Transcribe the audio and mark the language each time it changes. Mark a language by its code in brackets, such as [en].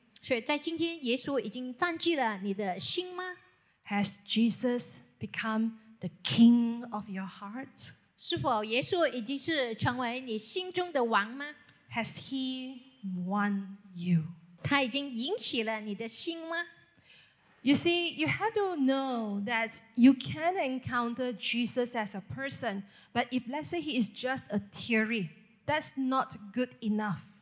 [zh] 所以在今天耶稣已经占据了你的心吗? [en] Has Jesus become the king of your heart? [zh] 是否耶稣已经是成为你心中的王吗? [en] Has he won you? [zh] 他已经引起了你的心吗? [en] You see, you have to know that you can encounter Jesus as a person, but if let's say he is just a theory, that's not good enough.